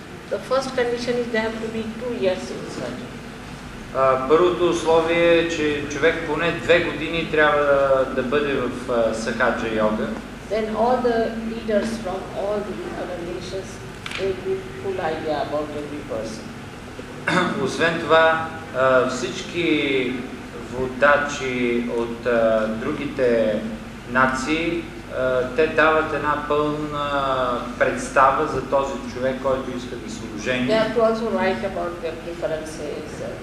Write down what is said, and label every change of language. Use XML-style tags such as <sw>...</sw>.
<en>The first condition is they have to be 2 years in Sahaja.</en> <bg>Първото условие е, че човек поне 2 години трябва да бъде в Сахаджа йога.</bg> <en>Then all the leaders from all the other nations, they give full idea about every person.</en> <bg>Освен това, всички водачи от другите нации, те дават една пълна представа за този човек, който иска да се ожени.</bg> <en>They have to also write about their preferences.</en>